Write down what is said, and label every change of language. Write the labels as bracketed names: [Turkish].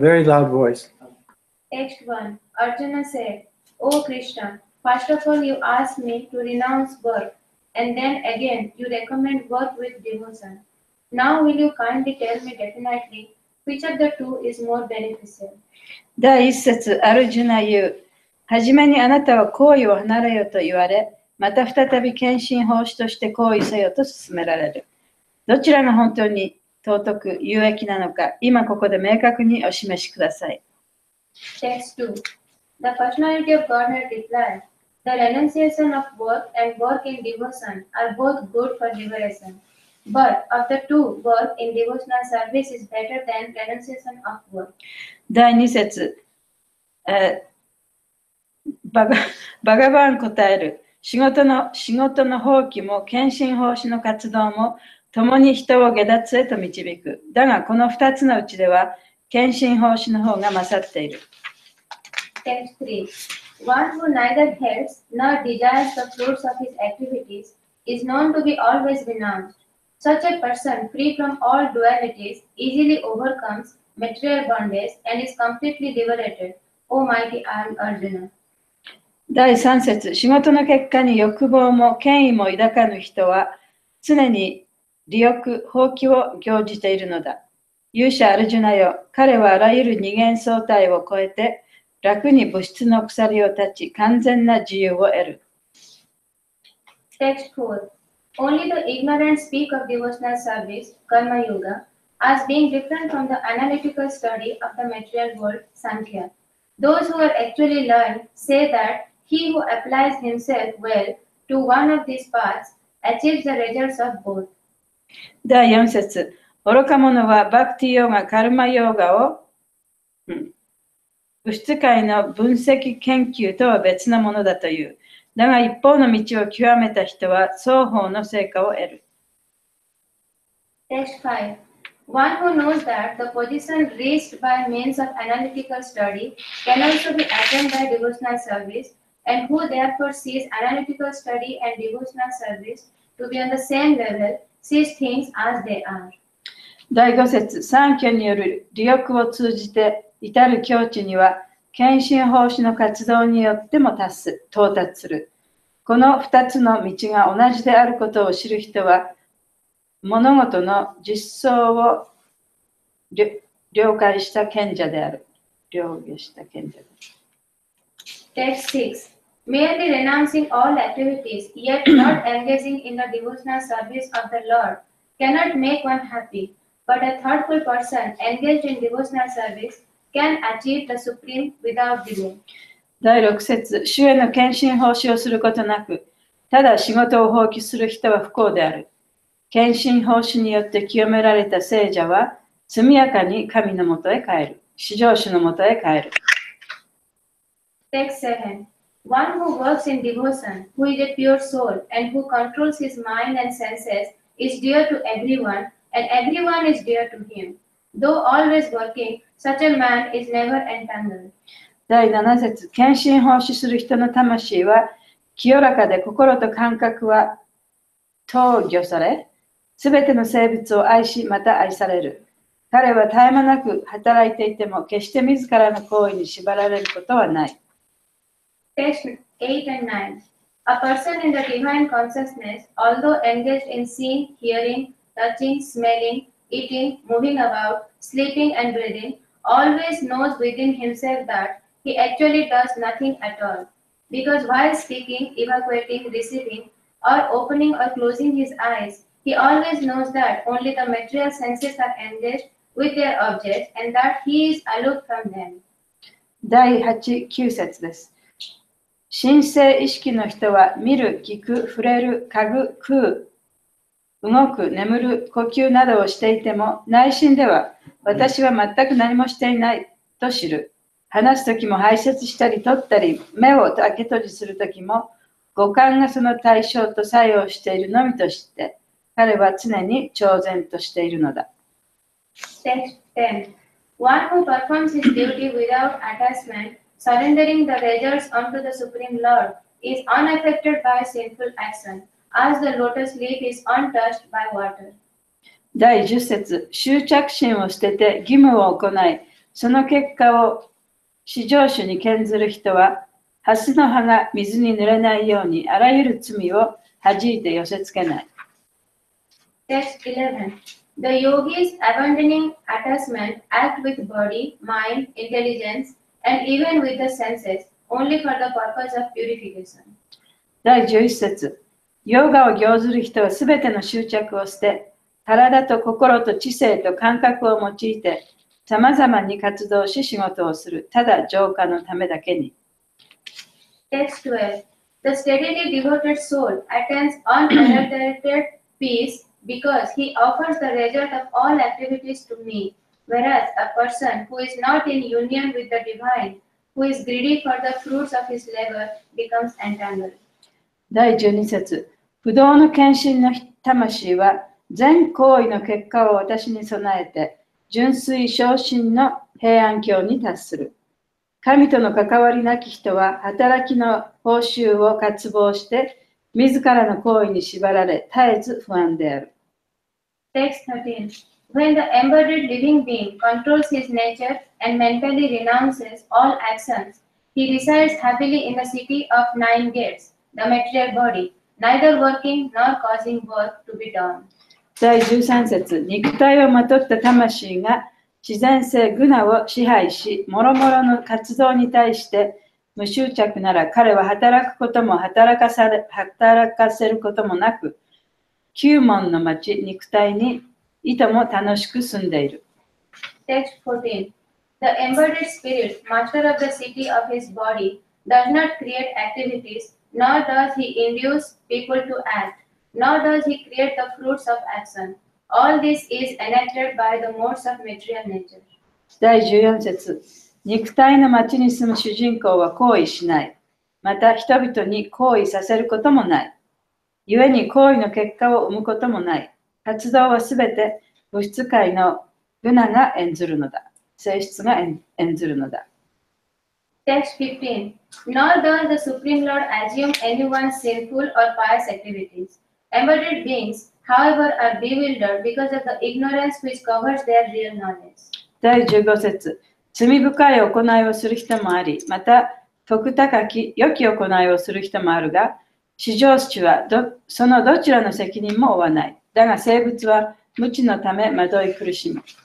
[English] Very loud voice. Text 1. Arjuna said, O Krishna, first of all you ask me to renounce birth, and then again you recommend birth with devotion. Now will you kindly tell me definitely which of the two is more beneficial? [Japanese] 第一節、アルジュナ言う。はじめにあなたは行為を離れよと言われ、また再び献身奉仕として行為せよと勧められる。どちらが本当に尊く有益なのか、今ここで明確にお示しください。 [English] Text 2. The personality of Godhead replied, The renunciation of work and work in devotion are both good for liberation. But of the two, work in devotional service is better than renunciation of work. [Japanese] 第二節、バガバン答える。仕事の放棄も、献身奉仕の活動も、共に人を下脱へと導く。だが、この二つのうちでは、献身奉仕の方が勝っている。 [English] Text 3. One who neither helps nor desires the fruits of his activities is known to be always renounced. Such a person, free from all dualities, easily overcomes material bondage and is completely liberated. O mighty Arjuna. [Japanese] 第三節、仕事の結果に欲望も権威も抱かぬ人は、常に利欲、放棄を行じているのだ。勇者アルジュナよ、彼はあらゆる二元相対を超えて、楽に物質の鎖を断ち、完全な自由を得る。 [English] Text 4. Only the ignorant speak of devotional service, karma yoga, as being different from the analytical study of the material world, Sankhya. Those who are actually learned say that he who applies himself well to one of these paths achieves the results of both. [Japanese] 第4節。愚か者はバクティヨーガ、カルマヨーガを、物質界の分析研究とは別なものだという。だが一方の道を極めた人は双方の成果を得る。 [English] Text 5. One who knows that the position reached by means of analytical study can also be attained by devotional service, and who therefore sees analytical study and devotional service to be on the same level, sees things as they are. [Japanese] 第5節、三教による利欲を通じて至る境地には、献身奉仕の活動によっても到達する。この2つの道が同じであることを知る人は、物事の実相を了解した賢者である。了解した賢者である。 [English] Text 6. Merely renouncing all activities, yet not engaging in the devotional service of the Lord, cannot make one happy. But a thoughtful person engaged in devotional service can achieve the supreme without delay. [Japanese] 第6節、主への献身奉仕をすることなく、ただ仕事を放棄する人は不幸である。献身奉仕によって清められた聖者は、速やかに神のもとへ帰る。至上主のもとへ帰る。 [English] Text 7. One who works in devotion, who is a pure soul, and who controls his mind and senses is dear to everyone,And everyone is dear to him. Though always working, such a man is never entangled. [Japanese] 第7節、献身奉仕する人の魂は清らかで心と感覚は陶御され、すべての生物を愛しまた愛される。彼は絶え間なく働いていても決して自らの行為に縛られることはない。 [English] Text 8 and 9. A person in the divine consciousness, although engaged in seeing, hearing,Touching, smelling, eating, moving about, sleeping and breathing, always knows within himself that he actually does nothing at all. Because while speaking, evacuating, receiving, or opening or closing his eyes, he always knows that only the material senses are engaged with their objects and that he is aloof from them. [Japanese] 第8、9節です。神聖意識の人は見る、聞く、触れる、嗅ぐ、食う。動く、眠る、呼吸などをしていても、内心では、私は全く何もしていないと知る。話すときも排泄したり取ったり、目を開け閉じするときも、五感がその対象と作用しているのみと知って、彼は常に超然としているのだ。 [English] Text 10. One who performs his duty without attachment, surrendering the results unto the Supreme Lord, is unaffected by sinful action. As the lotus leaf is untouched by water. [Japanese] 第10節、執着心を捨てて義務を行い、その結果を至上主に献ずる人は、蓮の葉が水に濡れないようにあらゆる罪を弾いて寄せつけない。 [English] Text 11. The yogis abandoning attachment act with body, mind, intelligence, and even with the senses, only for the purpose of purification. [Japanese] 第11節、ヨガを行ずる人はすべての執着を捨て、体と心と知性と感覚を用いて、さまざまに活動し仕事をする、ただ浄化のためだけに。 [English] Text 12. The steadily devoted soul attains unadulterated peace because he offers the result of all activities to me, whereas a person who is not in union with the divine, who is greedy for the fruits of his labor, becomes entangled. [Japanese] 第12節、不動の献身の魂は全行為の結果を私に備えて純粋昇進の平安境に達する。神との関わりなき人は働きの報酬を渇望して自らの行為に縛られ絶えず不安である。 [English] Text 13. When the embodied living being controls his nature and mentally renounces all actions, he resides happily in the city of nine gates, the material body, neither working nor causing work to be done. [Japanese] 第13節、肉体をまとった魂が自然性グナを支配し、もろもろの活動に対して無執着なら、彼は働くことも働かせることもなく、九門の町、肉体にいとも楽しく住んでいる。 [English] Text 14. The embodied spirit, master of the city of his body, does not create activities, nor does he induce people to act. Nor does he create the fruits of action. All this is enacted by the modes of material nature. [Japanese] 第14節、肉体の町に住む主人公は行為しない。また人々に行為させることもない。故に行為の結果を生むこともない。活動はすべて物質界のグナが演ずるのだ。性質が演ずるのだ。 [English] Text 15. Nor does the Supreme Lord assume anyone's sinful or pious activities. Embodied beings, however, are bewildered because of the ignorance which covers their real knowledge. [Japanese] 第15節、罪深い行いをする人もあり、また徳高き良き行いをする人もあるが、至上主はそのどちらの責任も負わない。だが生物は無知のため惑い苦しむ。